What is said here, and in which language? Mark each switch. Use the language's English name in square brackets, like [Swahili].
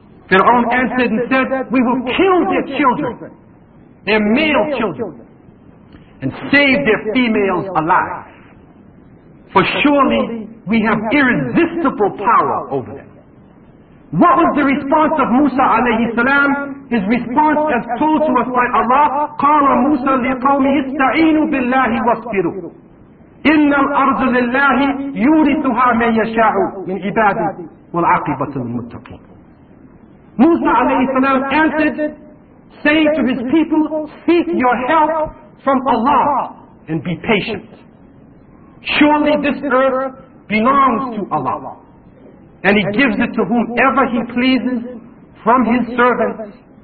[English] Fir'aun answered and said, we will kill their children, their male children, and save their females alive. For surely we have irresistible power over them. What was the response of Musa alayhi salam? His response as told to us by Allah, [Arabic] قَالَ مُوسَى لِقَوْمِهِ اسْتَعِينُوا بِاللَّهِ وَاسْفِرُوا إِنَّ الْأَرْضُ لِلَّهِ يُورِثُهَا مَنْ يَشَاءُ مِنْ عِبَادِهِ وَالْعَقِبَةُ الْمُتَّقِينَ. [English] Musa alayhi salam answered, saying to his people, seek your help from Allah and be patient. Surely this earth belongs to Allah, and he gives it to whomever he pleases from his servants.